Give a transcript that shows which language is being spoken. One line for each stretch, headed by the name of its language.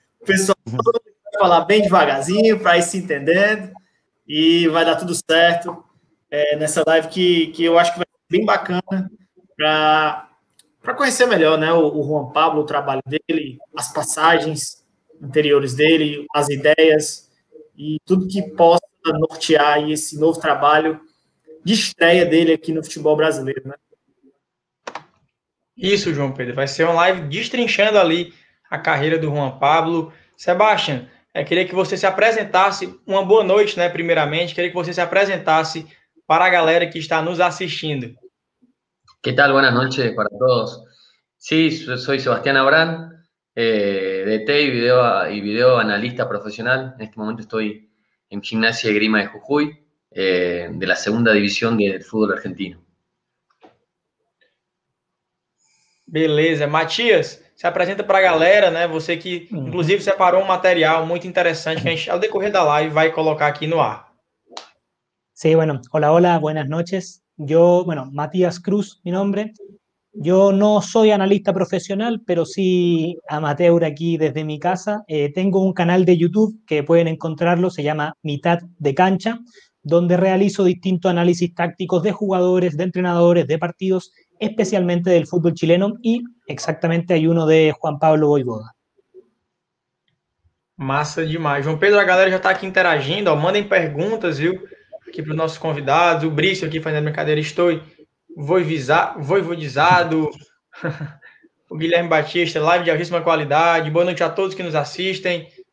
Portuguese: O pessoal vai falar bem devagarzinho para ir se entendendo e vai dar tudo certo nessa live que eu acho que vai ser bem bacana para conhecer melhor, né, o Juan Pablo, o trabalho dele, as passagens anteriores dele, as ideias e tudo que possa nortear esse novo trabalho de estreia dele aqui no futebol brasileiro, né? Isso, João Pedro, vai ser uma live destrinchando ali a carreira do Juan Pablo. Sebastian, queria que você se apresentasse. Uma boa noite, né? Primeiramente, queria que você se apresentasse para a galera que está nos assistindo.
Spanish: ¿Qué tal? Buenas noches para todos. Sí, soy Sebastián Abrán, DT y video analista profesional. En este momento estoy en Gimnasia y Esgrima de Jujuy, de la segunda división del fútbol argentino.
Portuguese: Beleza, Matias, se apresenta para a galera, né? Você que, inclusive, separou um material muito interessante que a gente, ao decorrer da live, vai colocar aqui no ar.
Spanish: Sí, bueno, hola, hola, buenas noches. Yo, bueno, Matías Cruz, mi nombre. Yo no soy analista profesional, pero sí amateur aquí desde mi casa. Tengo un canal de YouTube que pueden encontrarlo, se llama Mitad de Cancha, donde realizo distintos análisis tácticos de jugadores, de entrenadores, de partidos, especialmente del fútbol chileno y exactamente hay uno de Juan Pablo Vojvoda.
Portuguese: Massa demais. João Pedro, a galera já está aqui interagindo, ó, mandem perguntas, viu? Aqui para os nossos convidados. O Brício aqui fazendo brincadeira, estou voivodizado. O Guilherme Batista, live de altíssima qualidade. Boa noite a todos que nos assistem.